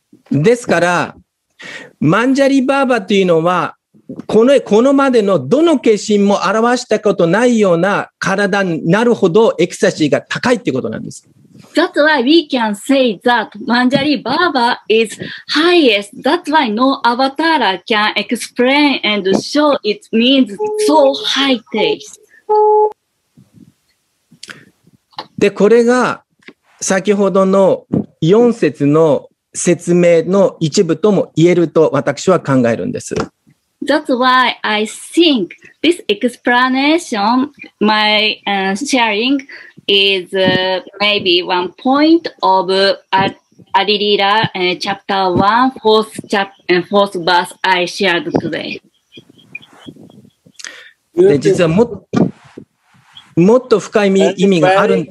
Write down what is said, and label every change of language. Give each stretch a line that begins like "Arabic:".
Japanese: ですから、マンジャリバーバというのは、このまでのどの化身も表したことないような体になるほどエクスタシーが高いということなんです。
English: That's why we can say that Manjari Baba is highest. That's why no avatar can explain and show it means so high taste.
Japanese: で、これが先ほどの4節の説明の一部とも言えると私は考えるんです。
English: That's why I think this explanation, my、sharing, is、maybe one point of Adilila、chapter 1, fourth verse I shared today.
Japanese: で実はもっと深い意味がある。